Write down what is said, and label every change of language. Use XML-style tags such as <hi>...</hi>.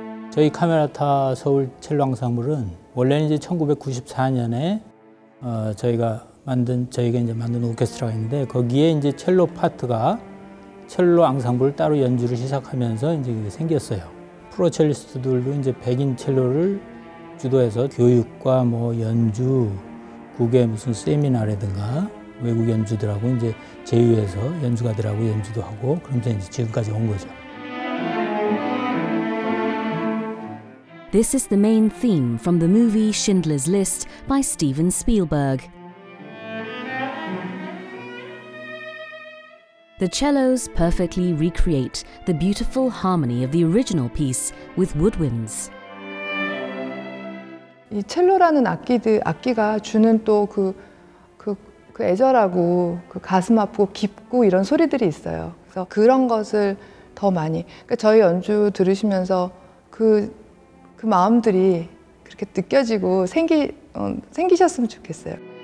<ko>저희 카메레타 서울 첼로 앙상블은 원래는 이제 1994년에 저희가 만든 오케스트라가 있는데 거기에 이제 첼로 파트가 첼로 앙상블 따로 연주를 시작하면서 이제 이게 생겼어요. 프로 첼리스트들도 이제 백인 첼로를 주도해서 교육과 뭐 연주 국외 무슨 세미나라든가 외국 연주들하고 이제 제휴해서 연주가들하고 연주도 하고 그러면서 이제 지금까지 온 거죠.</ko> <en>This is the main theme from the movie Schindler's List by Steven Spielberg. The cellos perfectly recreate the beautiful harmony of the original piece with woodwinds.</en> <ko>이 첼로라는 악기가 주는 또 그 애절하고 그 가슴 아프고 깊고 이런 소리들이 있어요. 그래서 그런 것을 더 많이 그러니까 저희 연주 들으시면서 그 마음들이 그렇게 느껴지고 생기셨으면 좋겠어요.</ko>